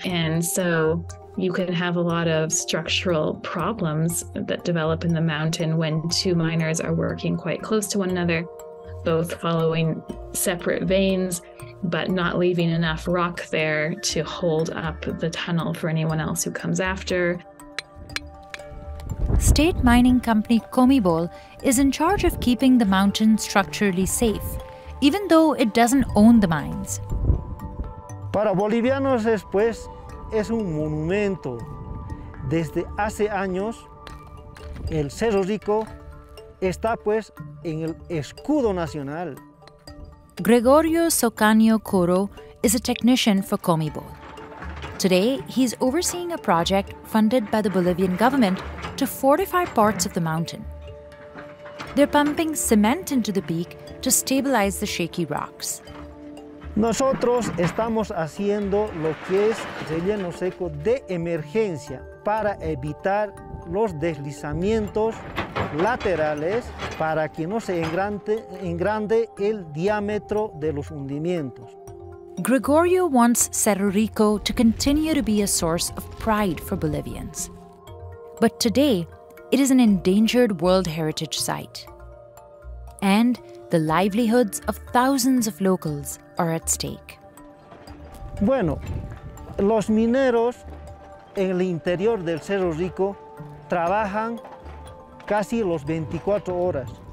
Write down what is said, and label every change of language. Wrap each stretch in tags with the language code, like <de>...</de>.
<en>And so you can have a lot of structural problems that develop in the mountain when two miners are working quite close to one another, both following separate veins, but not leaving enough rock there to hold up the tunnel for anyone else who comes after. State mining company Comibol is in charge of keeping the mountain structurally safe, even though it doesn't own the mines.</en> <es>Para bolivianos, pues, es un monumento. Desde hace años, el Cerro Rico está, pues, en el escudo nacional.</es> <en>Gregorio Socanio Coro is a technician for Comibol. Today, he's overseeing a project funded by the Bolivian government to fortify parts of the mountain. They're pumping cement into the peak to stabilize the shaky rocks.</en> <es>Nosotros estamos haciendo lo que es relleno seco de emergencia para evitar los deslizamientos laterales para que no se engrande el diámetro de los hundimientos.</es> <en>Gregorio wants Cerro Rico to continue to be a source of pride for Bolivians. But today, it is an endangered World Heritage Site. And the livelihoods of thousands of locals are at stake.</en> <es>Bueno, los mineros en el interior del Cerro Rico trabajan casi los 24 horas.</es>